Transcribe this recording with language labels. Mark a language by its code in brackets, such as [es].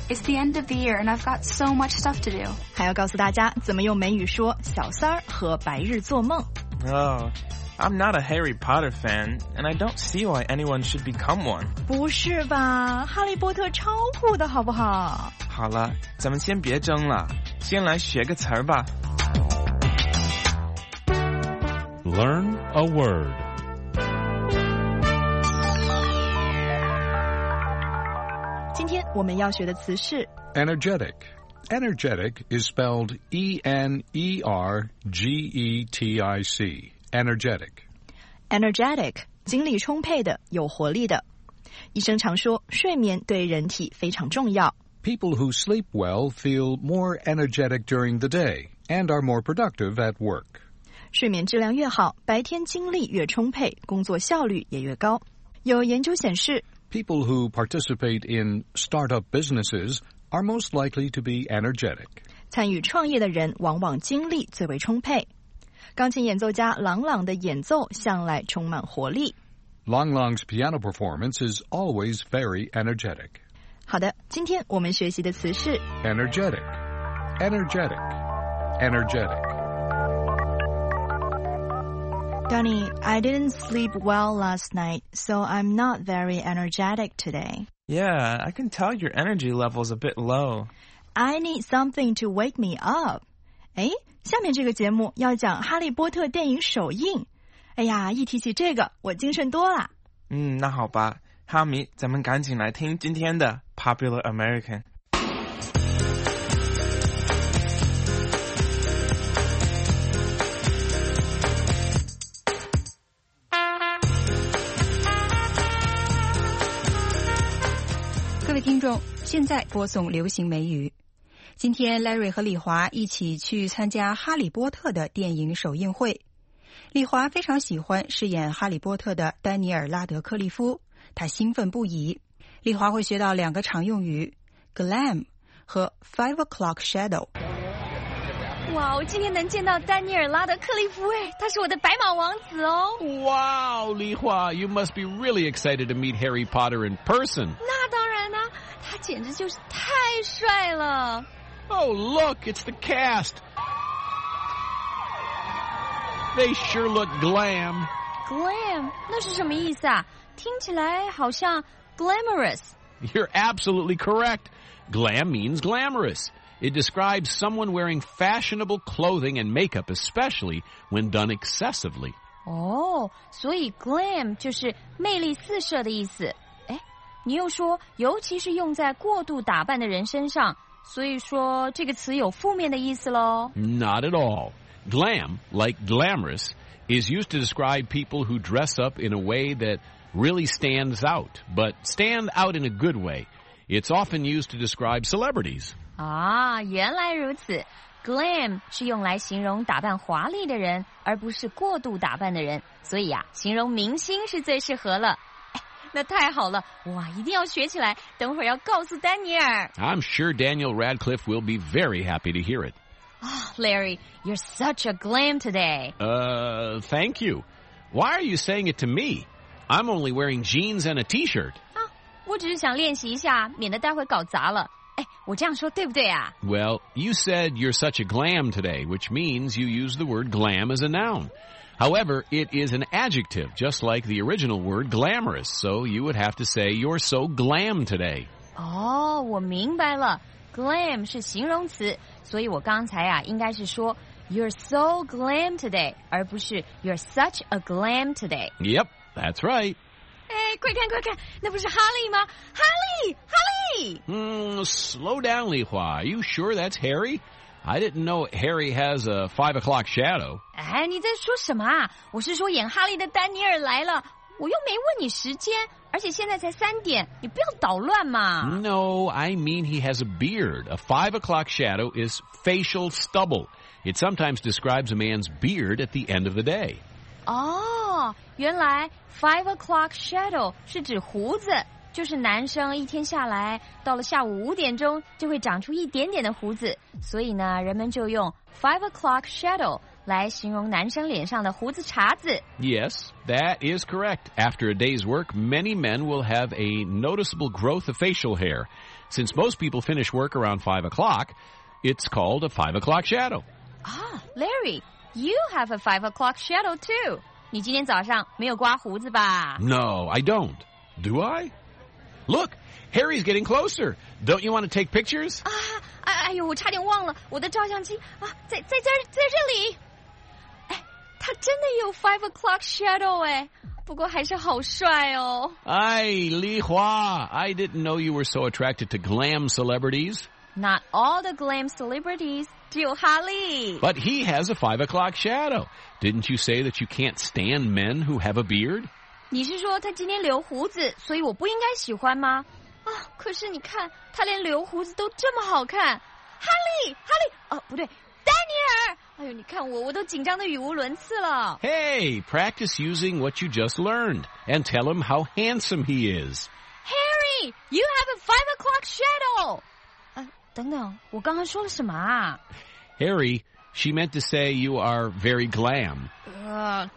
[en] It's the end of the year and I've got so much stuff to do. [zh] 还要告诉大家怎么用美语说小三儿和白日做梦。 [en] Oh, I'm not a Harry Potter fan and I don't see why anyone should become one. [zh] 不是吧，哈利波特超酷的好不好？好了，咱们先别争了，先来学个词儿吧。 [en] Learn a word. [zh] 今天我们要学的词是 [en] energetic. Energetic is spelled E-N-E-R-G-E-T-I-C. Energetic. [zh] Energetic, 精力充沛的，有活力的。医生常说，睡眠对人体非常重要。 [en] People who sleep well feel more energetic during the day and are more productive at work. [zh] 睡眠质量越好，白天精力越充沛，工作效率也越高。有研究显示， [en] People who participate in startup businesses are most likely to be energetic. [zh] 参与创业的人往往精力最为充沛。钢琴演奏家朗朗的演奏向来充满活力。 [en] 朗朗's piano performance is always very energetic. [zh] 好的，今天我们学习的词是 [en] energetic, energetic, energetic. Danny, I didn't sleep well last night, so I'm not very energetic today. Yeah, I can tell your energy level's a bit low. I need something to wake me up. [zh] 诶，下面这个节目要讲哈利波特电影首映。哎呀，一提起这个，我精神多了。嗯，那好吧，哈迷，咱们赶紧来听今天的 Popular American。各位听众，现在播送流行美语。今天 Larry 和李华一起去参加哈利波特的电影首映会。李华非常喜欢饰演哈利波特的丹尼尔·拉德克利夫，他兴奋不已。李华会学到两个常用语 glam 和 5 o'clock shadow。哇，我今天能见到丹尼尔·拉德克利夫，他是我的白马王子哦。 [en] 哇，李华， you must be really excited to meet Harry Potter in person。 [zh] 那当然，他简直就是太帅了。 [en] Oh look, it's the cast. They sure look glam. Glam? 那是什么意思啊？听起来好像 glamorous. You're absolutely correct. Glam means glamorous. It describes someone wearing fashionable clothing and makeup, especially when done excessively. [zh] Oh, 所以 glam 就是魅力四射的意思。你又说，尤其是用在过度打扮的人身上，所以说这个词有负面的意思咯。 [en] Not at all. Glam, like glamorous, is used to describe people who dress up in a way that really stands out, but stand out in a good way. It's often used to describe celebrities. [zh] 啊，原来如此。 Glam 是用来形容打扮华丽的人，而不是过度打扮的人。所以啊，形容明星是最适合了。那太好了，哇，一定要学起来，等会儿要告诉丹尼尔。 [en] I'm sure Daniel Radcliffe will be very happy to hear it. Oh, Larry, you're such a glam today. Thank you. Why are you saying it to me? I'm only wearing jeans and a t-shirt. [zh] 啊，我只是想练习一下，免得待会搞砸了。哎，我这样说对不对啊？ [en] Well, you said you're such a glam today, which means you use the word glam as a noun. However, it is an adjective, just like the original word glamorous, so you would have to say you're so glam today. [zh] Oh, 我明白了。Glam 是形容词，所以我刚才啊，应该是说 [en] you're so glam today, [zh] 而不是 [en] you're such a glam today. Yep, that's right. [zh] 哎，快看快看，那不是哈利吗？哈利，哈利！ [en] Slow down, Li Hua. Are you sure that's Harry? I didn't know Harry has a 5 o'clock shadow. [zh] 哎，你在说什么啊？我是说演哈利的丹尼尔来了，我又没问你时间，而且现在才三点，你不要捣乱嘛。 [en] No, I mean he has a beard. A 5 o'clock shadow is facial stubble. It sometimes describes a man's beard at the end of the day. 哦，原来 5 o'clock shadow 是指胡子，就是男生一天下来到了下午5点就会长出一点点的胡子，所以呢，人们就用 5 o'clock shadow来形容男生脸上的胡子茬子。 Yes, that is correct. After a day's work, many men will have a noticeable growth of facial hair. Since most people finish work around 5 o'clock, it's called a 5 o'clock shadow. Ah, Larry, you have a 5 o'clock shadow too. [zh] 你今天早上没有刮胡子吧？ [en] No, I don't. Do I? Look, Harry's getting closer. Don't you want to take pictures? [zh] Ah, 哎呦，我差点忘了，我的照相机啊，在这里。他真的有 5 o'clock shadow 哎，不过还是好帅哦。 [en] 哎，李华 ，I didn't know you were so attracted to glam celebrities. Not all the glam celebrities, [zh] 只有哈利。 [en] But he has a 5 o'clock shadow. Didn't you say that you can't stand men who have a beard? [zh] 你是说他今天留胡子，所以我不应该喜欢吗？啊，可是你看他连留胡子都这么好看，哈利，哈利，哦，不对。哎呦，你看我，我都紧张得语无伦次了。 [en] Hey, practice using what you just learned, and tell him how handsome he is. Harry, you have a 5 o'clock shadow. [zh] 等等，我刚刚说了什么啊 [en] ？Harry, she meant to say you are very glam.